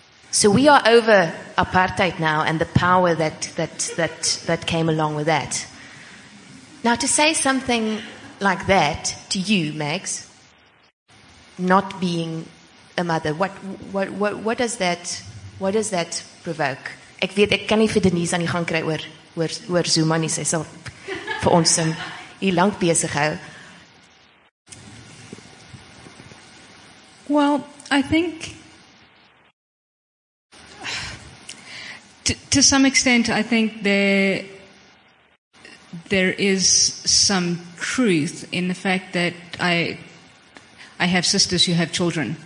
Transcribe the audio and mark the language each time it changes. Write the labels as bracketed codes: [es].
[en] So we are over apartheid now and the power that came along with that. Now, to say something like that to you, Mags, not being a mother, what does that provoke? [af] Ek weet ek kan nie vir Denise aan die gang kry oor Zuma nie, sy sal vir ons hier lank besig hou. [en] Well, I think to some extent, I think there is some truth in the fact that I have sisters who have children.